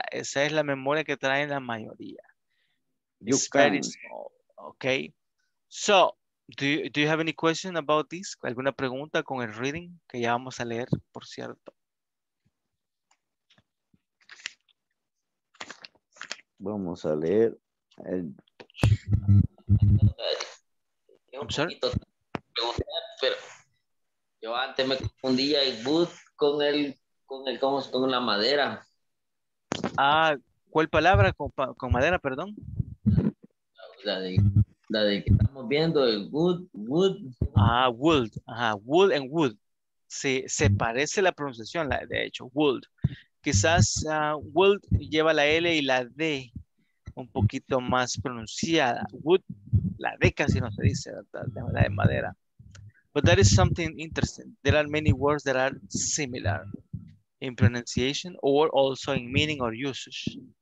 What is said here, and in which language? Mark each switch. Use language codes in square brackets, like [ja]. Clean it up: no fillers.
[es] Esa es la memoria que traen la mayoría. [en] You it's can. Very small, okay. So, do you have any question about this? [es] ¿Alguna pregunta con el reading que ya vamos a leer, por cierto? Vamos a leer. [en] I'm sorry. [es] Pero yo antes me confundía el boot con la madera. Ah, ¿cuál palabra con madera, perdón? La de que estamos viendo, el wood. [en] Ah, wood. Ajá, wood and wood. [es] Sí, se parece la pronunciación, de hecho, wood. Quizás wood lleva la L y la D un poquito más pronunciada. Wood, la D casi no se dice, ¿verdad? La de madera. [en] But that is something interesting. There are many words that are similar in pronunciation or also in meaning or usage.